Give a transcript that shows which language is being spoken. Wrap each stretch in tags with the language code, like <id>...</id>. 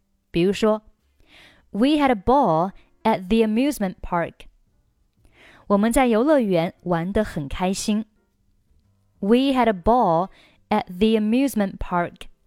<zh>比如说</zh> <en>，We had a ball at the amusement park。</en> <zh>我们在游乐园玩得很开心。</zh> <en>We had a ball at the amusement park。</en>